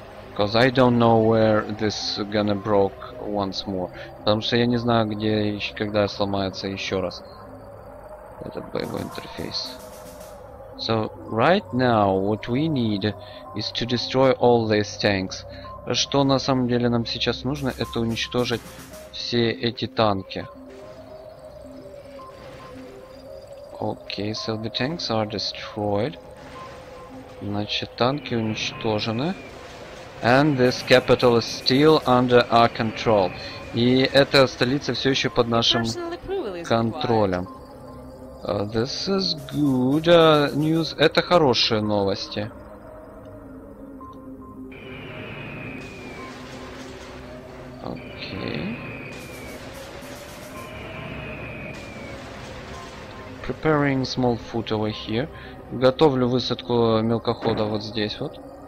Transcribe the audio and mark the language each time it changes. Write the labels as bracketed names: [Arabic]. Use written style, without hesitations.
[English] Because I don't know where this gonna broke once more. [Russian] Потому что я не знаю, где и когда сломается еще раз этот боевой интерфейс. [English] So, right now, what we need is to destroy all these tanks. [Russian] Что на самом деле нам сейчас нужно, это уничтожить все эти танки. [English] Okay, so the tanks are destroyed. [Russian] Значит, танки уничтожены. [English] And this capital is still under our control. [Russian] И эта столица все еще под нашим контролем. [English] This is good news. [Russian] Это хорошие новости. [English] Okay. Preparing small foot over here. [Russian] Готовлю высадку мелкохода вот здесь вот.